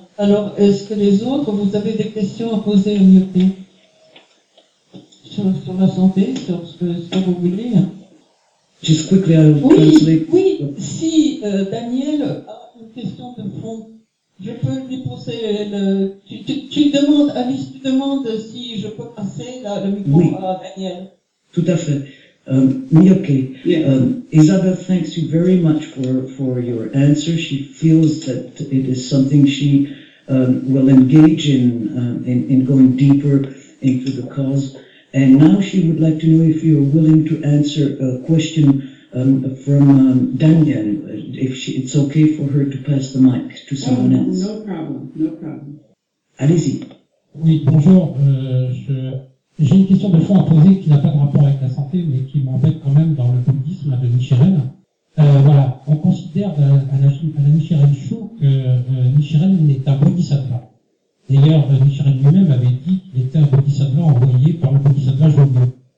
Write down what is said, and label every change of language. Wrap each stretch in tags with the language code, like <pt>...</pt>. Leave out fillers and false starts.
<fr>Alors, est-ce que les autres, vous avez des questions à poser au Gnocchi sur la santé, sur ce que vous voulez?</fr> <en>Just quickly, I'll translate.</en> <fr>Oui, si Daniel a une question de fond, je peux lui poser. Tu demandes, Alice, tu demandes si je peux passer le micro oui. À Daniel. Tout à fait. Okay. Yeah.</fr> <en>Isabel thanks you very much for your answer. She feels that it is something she will engage in going deeper into the cause. And now she would like to know if you are willing to answer a question from Daniel, it's okay for her to pass the mic to someone else. No problem, no problem.</en> <fr>Allez-y. Oui, bonjour. J'ai une question de fond à poser qui n'a pas de rapport avec la santé, mais qui m'embête quand même dans le bouddhisme de Nichiren. Voilà, on considère à la Nichiren Shu que Nichiren est un bodhisattva. D'ailleurs, Nichiren lui-même avait dit qu'il était un bodhisattva envoyé par le bodhisattva Jogyo.</fr>